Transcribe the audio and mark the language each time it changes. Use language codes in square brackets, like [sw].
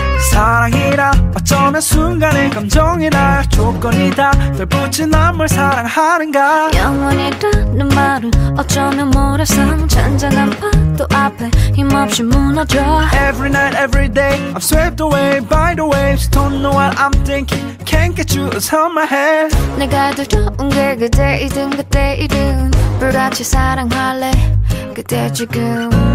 [ko] 사랑이라 어쩌면 순간의 감정이라 조건이다 덜 붙인 난 뭘 사랑하는가 영원히 듣는 말은 어쩌면 모래성 잔잔한 파도 앞에 힘없이 무너져 [en] Every night every day I'm swept away by the waves Don't know what I'm thinking Can't get you out of my head [ko] 내가 더 좋은 게 그대이든 그때이든 불같이 사랑할래 그대 지금